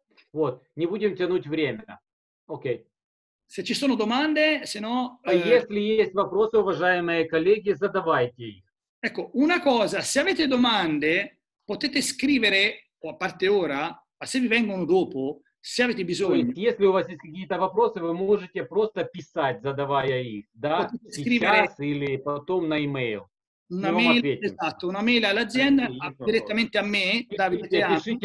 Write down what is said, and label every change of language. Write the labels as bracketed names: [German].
[Russian] Вот, не будем тянуть время. Окей. [Italian] Se ci sono domande, se no. [Russian] Если есть вопросы, уважаемые коллеги, задавайте их. [Italian] Ecco, una cosa, se avete domande, potete scrivere, o a parte ora, ma se vi vengono dopo, se avete bisogno. Quindi, se [Russian] у вас есть какие-то вопросы, вы можете просто писать, задавая их, да? [Italian] Potete scrivere [Russian] сейчас или потом на email. [Italian] Una mail, esatto, una mail all'azienda, direttamente a me, Davide Teano.